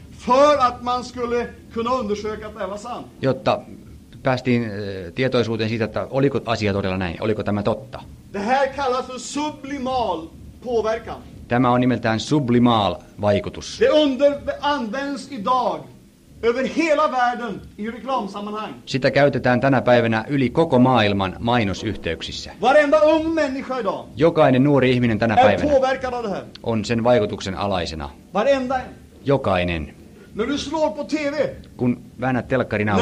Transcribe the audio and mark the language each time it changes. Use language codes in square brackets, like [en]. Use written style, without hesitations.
[sv] För att man skulle kunna undersöka att det var sant. [fi] Jotta päästiin tietoisuuteen siitä, että oliko asia todella näin, oliko tämä totta. [sv] Det här kallas för sublimal påverkan. [fi] Tämä on nimeltään sublimaal vaikutus. [sv] Det används idag över hela världen i reklamsammanhang. [fi] Sitä käytetään tänä päivänä yli koko maailman mainosyhteyksissä. [sv] Varenda ung människa idag. [fi] Jokainen nuori ihminen tänä päivänä [sv] påverkad av det här. [fi] On sen vaikutuksen alaisena. [sv] Varenda. [fi] Jokainen. [sv] När du slår på TV. [fi] Kun väännät telkkarin auki.